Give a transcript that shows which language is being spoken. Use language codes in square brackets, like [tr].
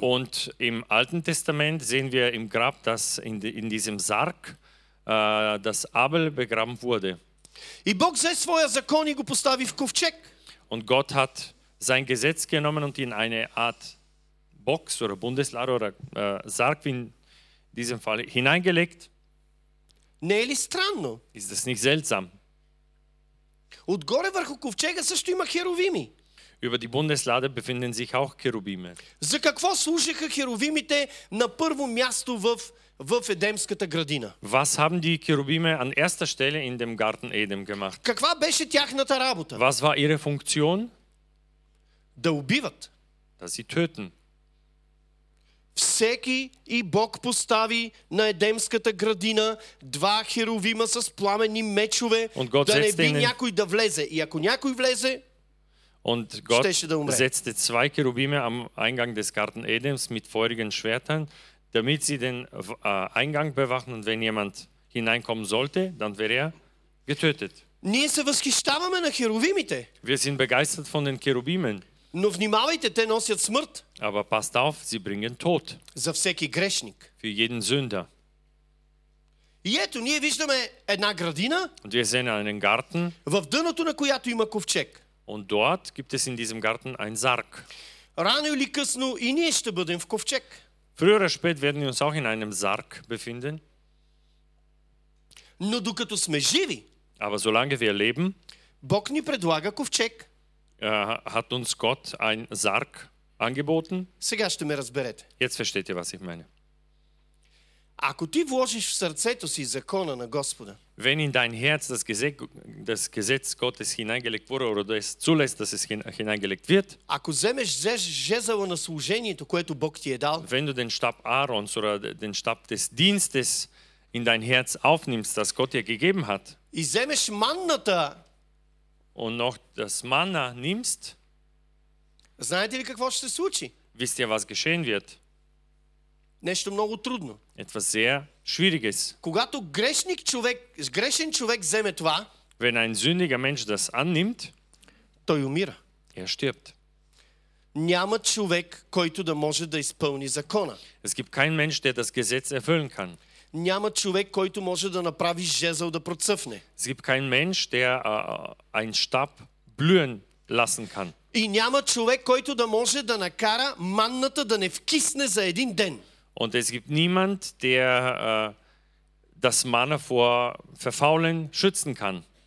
[de] Und im Alten Testament sehen wir im Grab, dass in diesem Sarg, dass Abel begraben wurde. [bg] И Бог взе своя закон и го постави в ковчег. [de] Und Gott hat sein Gesetz genommen und in eine Art Box oder Bundeslade oder Sarg, wie in diesem Fall, hineingelegt. [bg] Не е ли странно? [de] Ist das nicht seltsam? [bg] Отгоре върху ковчега също има херувими. [de] Über die Bundeslade befinden sich auch Cherubime. [bg] За какво служиха херувимите на първо място в Едемската градина? [de] Was haben die Cherubime an erster Stelle in dem Garten Eden gemacht? [bg] Каква беше тяхната работа? [de] Was war ihre Funktion? [bg] Да убиват. Да си търтен. Всеки и Бог постави на Едемската градина два херувима с пламенни мечове, да не би някой да влезе. И ако някой влезе, щеше да умре. [de] Setzte zwei Cherubime am Eingang des Garten Edens mit feurigen Schwertern, damit sie den Eingang bewachen, und wenn jemand hineinkommen sollte, dann wäre getötet. [bg] Ние се възхищаваме на херувимите. [de] Wir sind begeistert von den Cherubimen. [bg] Но внимавайте, те носят смърт. [de] Aber passt auf, sie bringen Tod. [bg] За всеки грешник. [de] Für jeden Sünder. [bg] И ето, ние виждаме една градина. [de] Und wir sehen einen Garten. [bg] В дъното на която има ковчег. [de] Und dort gibt es in diesem Garten einen Sarg. [bg] Рано или късно и ние ще бъдем в ковчег. [de] Früher oder spät werden wir uns auch in einem Sarg befinden. [bg] Но докато сме живи. [de] Aber solange wir leben. [bg] Бог ни предлага ковчег. [de] Hat uns Gott ein Sarg angeboten. [bg] Сега ще ме разберете. [de] Jetzt versteht ihr, was ich meine. [bg] Ако ти вложиш в сърцето си закона на Господа. [de] Wenn in dein Herz das Gesetz Gottes hineingelegt wurde oder es zulässt, dass es hineingelegt wird. [bg] Ако вземеш жезъла на служението, което Бог ти е дал. [de] Wenn du den Stab Aarons oder den Stab des Dienstes in dein Herz aufnimmst, das Gott dir gegeben hat. [bg] И вземеш манната. [de] Und noch das Manna nimmst. [bg] Знаете ли какво ще се случи? [de] Wisst ihr, was geschehen wird? [bg] Нещо много трудно. [de] Etwas sehr schwieriges. [bg] Когато грешник човек, грешен човек вземе това, [de] wenn ein sündiger Mensch das annimmt, [bg] той умира. [de] Er stirbt. [bg] Няма човек, който да може да изпълни закона. [de] Es gibt keinen Mensch, der das Gesetz erfüllen kann. [bg] Няма човек, който може да направи жезъл да процъфне. [de] Es gibt keinen Mensch, der einen Stab blühen lassen kann. [bg] И няма човек, който да може да накара манната да не вкисне за един ден. [de] Und es gibt niemand, der das Manna vor Verfaulen schützen kann.